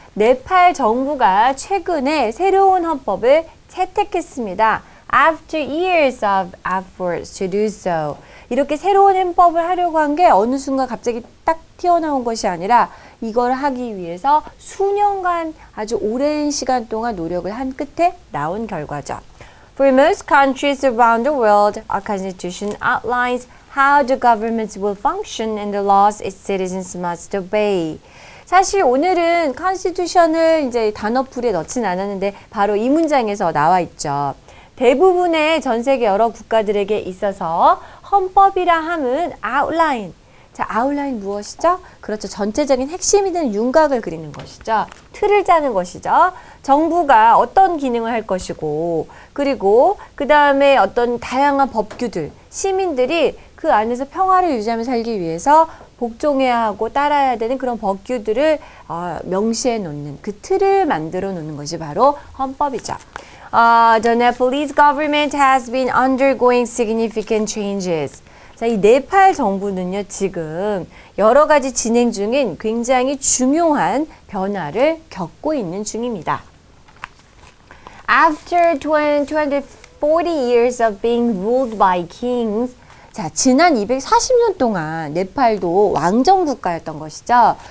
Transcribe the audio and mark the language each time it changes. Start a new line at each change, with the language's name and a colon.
Korean: 네팔 정부가 최근에 새로운 헌법을 채택했습니다.
English: After years of efforts to do so.
Korean: 이렇게 새로운 헌법을 하려고 한 게 어느 순간 갑자기 딱 튀어나온 것이 아니라 이걸 하기 위해서 수년간 아주 오랜 시간 동안 노력을 한 끝에 나온 결과죠.
English: For most countries around the world, a constitution outlines how the government will function and the laws its citizens must obey.
Korean: 사실 오늘은 constitution을 이제 단어풀에 넣진 않았는데 바로 이 문장에서 나와 있죠. 대부분의 전 세계 여러 국가들에게 있어서 헌법이라 함은 outline. 자, outline 무엇이죠? 그렇죠. 전체적인 핵심이 되는 윤곽을 그리는 것이죠. 틀을 짜는 것이죠. 정부가 어떤 기능을 할 것이고, 그리고 그 다음에 어떤 다양한 법규들, 시민들이 그 안에서 평화를 유지하며 살기 위해서 복종해야 하고 따라야 되는 그런 법규들을 명시해 놓는 그 틀을 만들어 놓는 것이 바로 헌법이죠.
English: The Nepalese government has been undergoing significant changes.
Korean: 자, 이 네팔 정부는요, 지금 여러 가지 진행 중인 굉장히 중요한 변화를 겪고 있는 중입니다.
English: After 240 years of being ruled by kings,
Korean: 자, 지난 240년 동안 네팔도 왕정 국가였던 것이죠.